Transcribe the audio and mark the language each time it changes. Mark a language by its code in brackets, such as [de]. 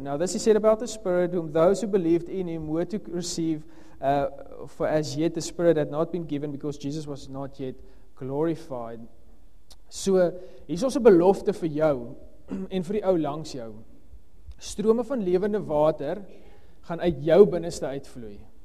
[en] Now this he said about the Spirit, whom those who believed in him were to receive, for as yet the Spirit had not been given, because Jesus was not yet glorified." [af] So, hier's ons 'n belofte vir jou, en vir die ou langs jou. Strome van lewende water gaan uit jou binneste uitvloei.